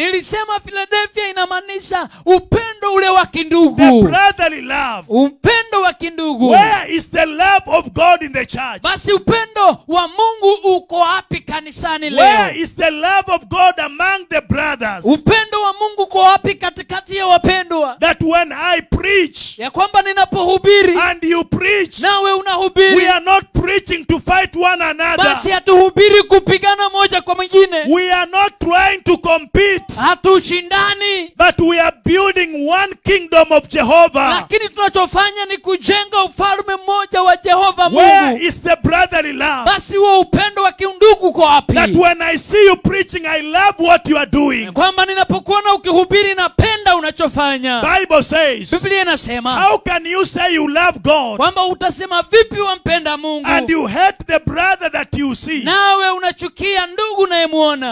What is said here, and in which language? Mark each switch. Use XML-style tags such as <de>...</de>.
<sw>Nilisema Philadelphia inamaanisha upendo ule wa kindugu.</sw> <en>The brotherly love.</en> <sw>Upendo wa kindugu.</sw> <en>Where is the love of God in the church?</en> <sw>Basi upendo wa Mungu uko wapi kanisani leo?</sw> <en>Where is the love of God among the brothers?</en> <sw>Upendo wa Mungu kwa wapi katikati ya wapendwa?</sw> <en>That when I preach,</en> <sw>ya kwamba ninapohubiri,</sw> <en>and you preach,</en> <sw>nawe unahubiri,</sw> <en>we are not preaching to fight one another.</en> <sw>Basi hatuhubiri kupigana moja kwa mwingine.</sw> <en>We are not trying to compete.</en> <sw>Hatushindani.</sw> <en>But we are building one kingdom of Jehovah.</en> <sw>Lakini tunachofanya ni kujenga ufalme mmoja wa Jehovah Mungu.</sw> <en>Where is the brotherly love?</en> <sw>Basi wa upendo wa kindugu kwa wapi?</sw> <en>That when I see you preaching, I love what you are doing.</en> <sw>Kwamba ninapokuona ukihubiri napenda unachofanya.</sw> <en>Bible says.</en> <sw>Biblia inasema.</sw> <en>How can you say you love God?</en> <sw>Kwamba utasema vipi wampenda Mungu?</sw> <en>And you hate the brother that you see.</en> <sw>Nawe unachukia ndugu unayemuona.</sw>